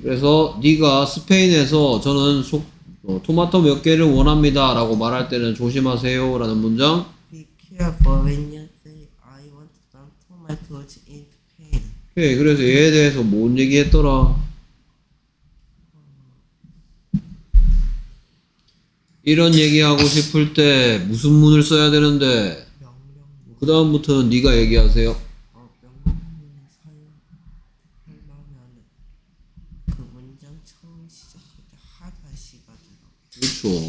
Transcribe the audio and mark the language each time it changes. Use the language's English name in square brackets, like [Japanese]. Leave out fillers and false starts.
[Korean] 그래서 네가 스페인에서 저는 토마토 몇 개를 원합니다 라고 말할 때는 조심하세요 라는 문장. [English] Be careful when you say I want some tomatoes in Spain. [Korean] 오케이. 그래서 얘에 대해서 뭔 얘기 했더라? 이런 얘기하고 싶을 때 무슨 문을 써야 되는데 명령문. 그 다음부터는 네가 얘기하세요. 명령문을 사용하려면 그 문장 처음 시작부터 하다시가 되라고.